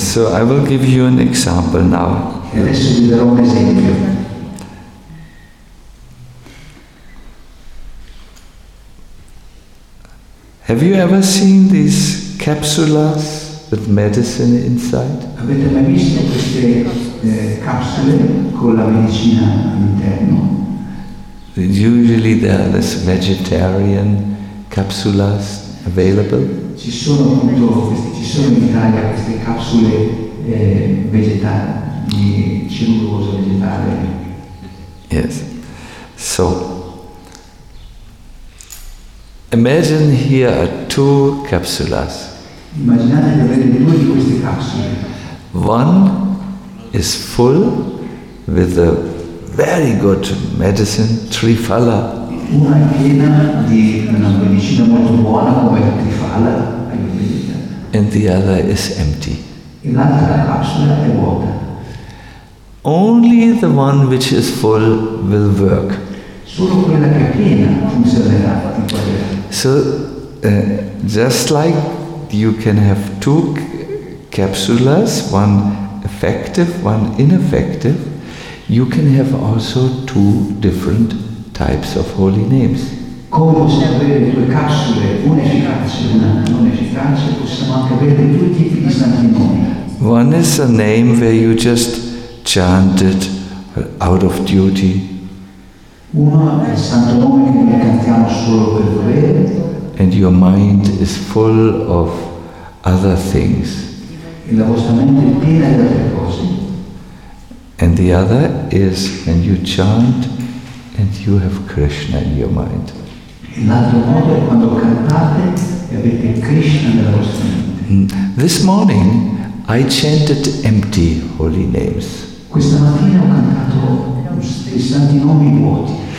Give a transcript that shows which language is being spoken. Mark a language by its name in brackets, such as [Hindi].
[English] So I will give you an example now. [Italian] E adesso vi darò un esempio. [English] Have you ever seen these capsules with medicine inside? [Italian] Avete mai visto queste capsule con la medicina all'interno? [English] Usually there are these vegetarian capsules available. [Italian] Ci sono appunto queste, ci sono in Italia queste capsule vegetali, di cellulosa vegetale. [English] Yes. So imagine here are two capsules. [Italian] Immaginate di avere due di queste capsule. [English] One is full with a very good medicine, Trifala. [Italian] Una è piena di una medicina molto buona come la Trifala. [English] And the other is empty. [Italian] E l'altra capsula è vuota. [English] Only the one which is full will work. [Italian] Solo quella che è piena funzionerà. [English] So, just like you can have two capsules, one effective, one ineffective, you can have also two different types of holy names. [Italian] Come possiamo avere due capsule, una efficace e una non efficace, possiamo anche avere due tipi di santi nomi. [English] One is a name where you just chant it out of duty. [Italian] Uno è il santo nome che noi cantiamo solo per dovere. [English] And your mind is full of other things. [Italian] E la vostra mente è piena di altre cose. [English] And the other is when you chant and you have Krishna in your mind. [Italian] L'altro modo è quando cantate e avete Krishna nella vostra mente. [English] This morning I chanted empty holy names. [Italian] Questa mattina ho cantato i santi nomi vuoti.